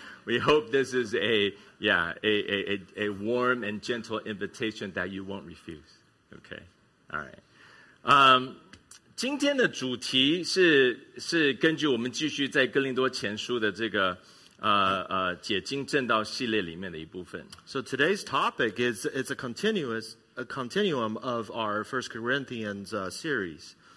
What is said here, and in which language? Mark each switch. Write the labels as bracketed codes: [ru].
[en] We hope this is a warm and gentle invitation that you won't refuse. Okay. All right. [zh] 今天的主题是根据我们继续在哥林多前书的这个解经正道系列里面的一部分。 [en] So today's topic is a continuum of our 1 Corinthians series.